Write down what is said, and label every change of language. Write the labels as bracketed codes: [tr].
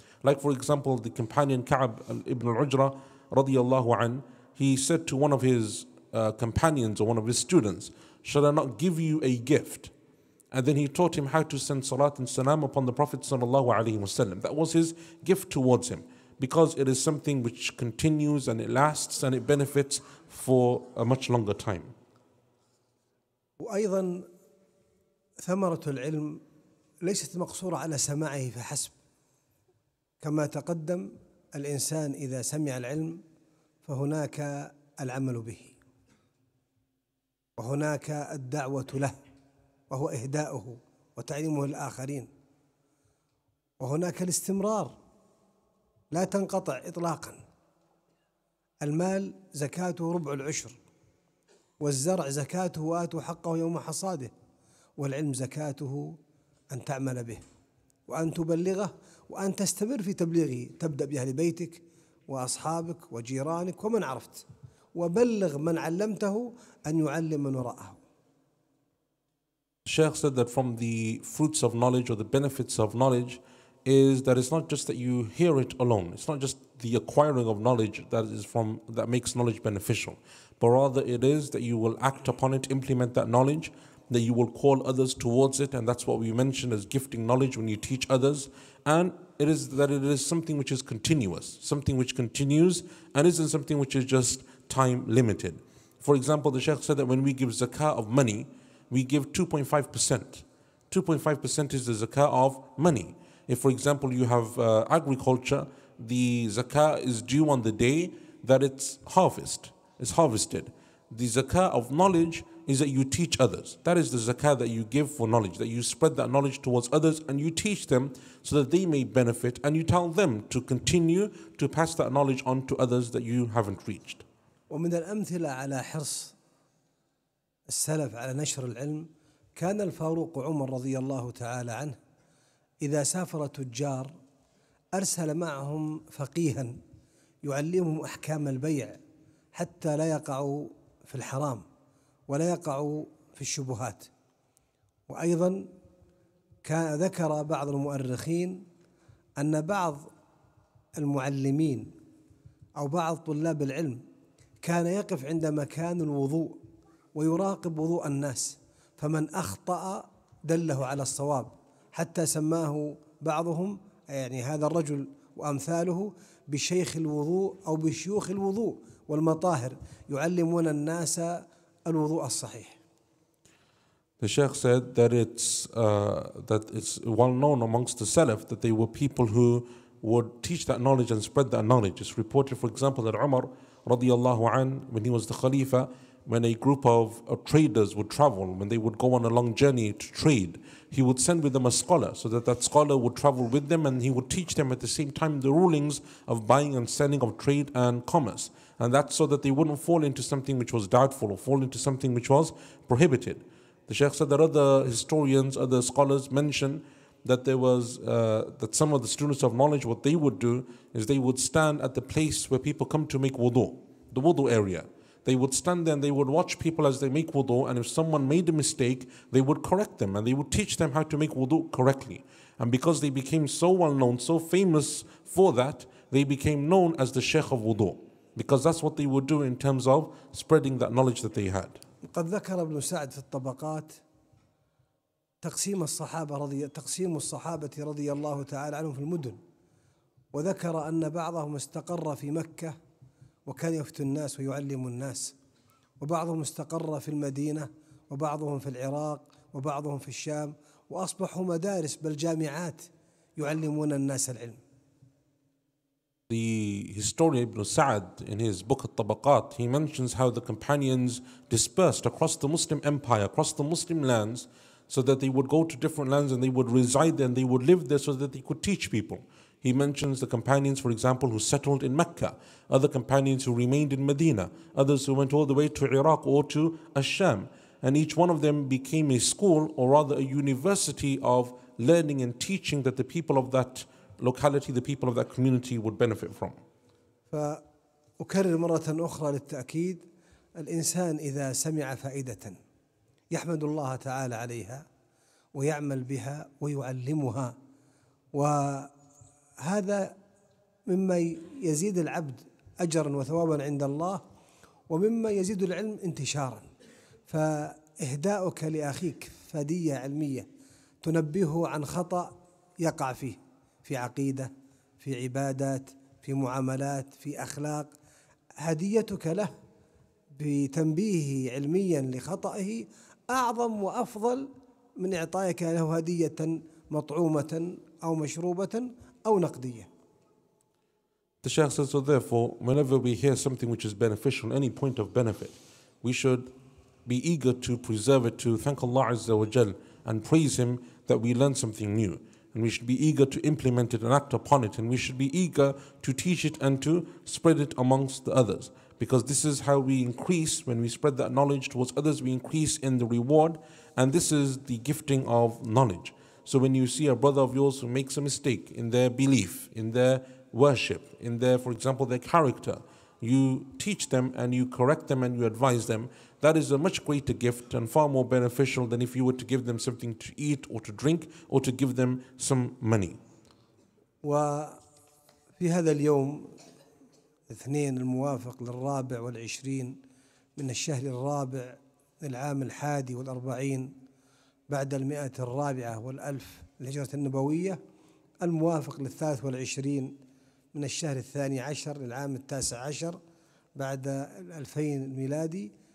[en] Like, for example, the companion Ka'ab ibn al-Ujra radiyallahu an, he said to one of his companions or one of his students, "Shall I not give you a gift?" And then he taught him how to send salat and salam upon the Prophet sallallahu alayhi wa sallam. That was his gift towards him, because it is something which continues and it lasts and it benefits for a much longer time. [ar] وأيضا ثمرة العلم ليست مقصورة على سماعه فحسب، كما تقدم الإنسان إذا سمع العلم فهناك العمل به وهناك الدعوة له وهو إهداؤه وتعليمه للآخرين، وهناك الاستمرار لا تنقطع إطلاقا. المال زكاته ربع العشر، والزرع زكاته وآتوا حقه يوم حصاده، والعلم زكاته أن تعمل به وأن تبلغه وأن تستمر في تبليغه، تبدأ بأهل بيتك وأصحابك وجيرانك ومن عرفت، وبلغ من علمته أن يعلم من وراءه. [en] Shaykh said that from the fruits of knowledge or the benefits of knowledge is that it's not just that you hear it alone. It's not just the acquiring of knowledge that is from that makes knowledge beneficial, but rather it is that you will act upon it, implement that knowledge, that you will call others towards it, and that's what we mentioned as gifting knowledge when you teach others. And it is that it is something which is continuous, something which continues and isn't something which is just time limited. For example, the Shaykh said that when we give zakah of money, we give 2.5%. 2.5% is the zakah of money. If, for example, you have agriculture, the zakah is due on the day that it's harvest, it's harvested. The zakah of knowledge is that you teach others. That is the zakah that you give for knowledge, that you spread that knowledge towards others and you teach them so that they may benefit, and you tell them to continue to pass that knowledge on to others that you haven't reached. [ar] ومن الأمثلة على حرص السلف على نشر العلم، كان الفاروق عمر رضي الله تعالى عنه إذا سافر تجار أرسل معهم فقيها يعلمهم أحكام البيع حتى لا يقعوا في الحرام ولا يقعوا في الشبهات. وأيضا كان ذكر بعض المؤرخين أن بعض المعلمين أو بعض طلاب العلم كان يقف عند مكان الوضوء ويراقب وضوء الناس، فمن أخطأ دله على الصواب، حتى سماه بعضهم يعني هذا الرجل وأمثاله بشيخ الوضوء أو بشيوخ الوضوء والمطاهر، يعلمون الناس الوضوء الصحيح. [en] The Shaykh said that it's well known amongst the Salaf that they were people who would teach that knowledge and spread that knowledge. It's reported, for example, that Umar [ar] رضي الله عنه, [en] when he was the Khalifa, when a group of traders would travel, when they would go on a long journey to trade, he would send with them a scholar so that that scholar would travel with them and he would teach them at the same time the rulings of buying and selling, of trade and commerce. And that's so that they wouldn't fall into something which was doubtful or fall into something which was prohibited. The Shaykh said that other historians, other scholars mentioned that there was that some of the students of knowledge, what they would do is they would stand at the place where people come to make wudu, the wudu area. They would stand there and they would watch people as they make wudu, and if someone made a mistake, they would correct them and they would teach them how to make wudu correctly. And because they became so well known, so famous for that, they became known as the Shaykh of wudu, because that's what they would do in terms of spreading that knowledge that they had. [ar] قد ذكر ابن سعد في الطبقات تقسيم الصحابة رضي الله تعالى عنهم في المدن، وذكر أن بعضهم استقر في مكة وكان يفتي الناس ويعلم الناس، وبعضهم استقر في المدينة، وبعضهم في العراق، وبعضهم في الشام، وأصبحوا مدارس بل جامعات يعلمون الناس العلم. [en] The historian Ibn Sa'd in his book At-Tabaqat, he mentions how the companions dispersed across the Muslim empire, across the Muslim lands, so that they would go to different lands and they would reside there and they would live there so that they could teach people. He mentions the companions, for example, who settled in Mecca, other companions who remained in Medina, others who went all the way to Iraq or to Asham. And each one of them became a school, or rather a university of learning and teaching that the people of that locality, the people of that community would benefit from. [ar] فأكرر مرة أخرى للتأكيد، الإنسان إذا سمع فائدة يحمد الله تعالى عليها ويعمل بها ويعلمها، وهذا مما يزيد العبد أجرا وثوابا عند الله، ومما يزيد العلم انتشارا. فإهداؤك لأخيك فدية علمية تنبهه عن خطأ يقع فيه في عقيدة، في عبادات، في معاملات، في أخلاق، هديتك له بتنبيهه علميا لخطأه أعظم وأفضل من إعطائك له هدية مطعومة أو مشروبة أو نقدية. [en] The Shaykh says, so therefore, whenever we hear something which is beneficial, any point of benefit, we should be eager to preserve it, to thank Allah Azza wa Jal and praise Him that we learn something new. And we should be eager to implement it and act upon it. And we should be eager to teach it and to spread it amongst the others. Because this is how we increase, when we spread that knowledge towards others, we increase in the reward. And this is the gifting of knowledge. So when you see a brother of yours who makes a mistake in their belief, in their worship, in their, for example, their character, you teach them and you correct them and you advise them. That is a much greater gift and far more beneficial than if you were to give them something to eat or to drink or to give them some money. [ar] وفي هذا اليوم الاثنين الموافق للرابع والعشرين من الشهر الرابع العام الحادي والأربعين بعد المئة الرابعة والألف الهجرة النبوية الموافق للثالث والعشرين من الشهر الثاني عشر للعام التاسع عشر بعد الألفين الميلادي